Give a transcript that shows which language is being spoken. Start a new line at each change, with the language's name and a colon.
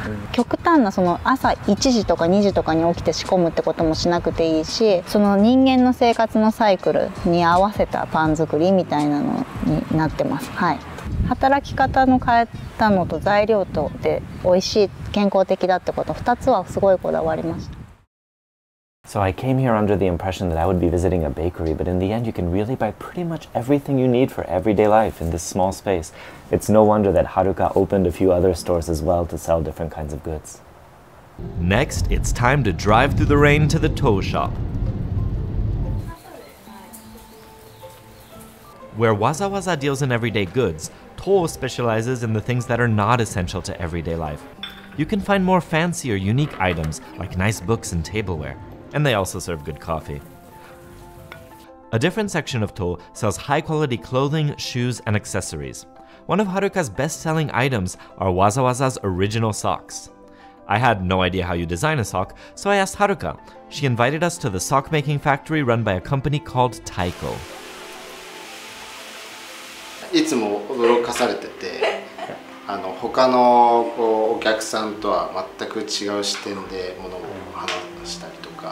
Japanese: 極端なその朝1時とか2時とかに起きて仕込むってこともしなくていいし、その人間の生活のサイクルに合わせたパン作りみたいなのになってます。はい、働き方の変えたのと材料とで美味しい健康的だってこと2つはすごいこだわりました。
English: So I came here under the impression that I would be visiting a bakery, but in the end you can really buy pretty much everything you need for everyday life in this small space. It's no wonder that Haruka opened a few other stores as well to sell different kinds of goods. Next, it's time to drive through the rain to the toe shop, where Wazawaza deals in everyday goods. Toe specializes in the things that are not essential to everyday life. You can find more fancy or unique items like nice books and tableware. And they also serve good coffee. A different section of Toh sells high-quality clothing, shoes, and accessories. One of Haruka's best-selling items are Wazawaza's original socks. I had no idea how you design a sock, so I asked Haruka. She invited us to the sock-making factory run by a company called Taiko.
Japanese: いつも驚かされてて、あの他のこうお客さんとは全く違う視点で物を話したりと。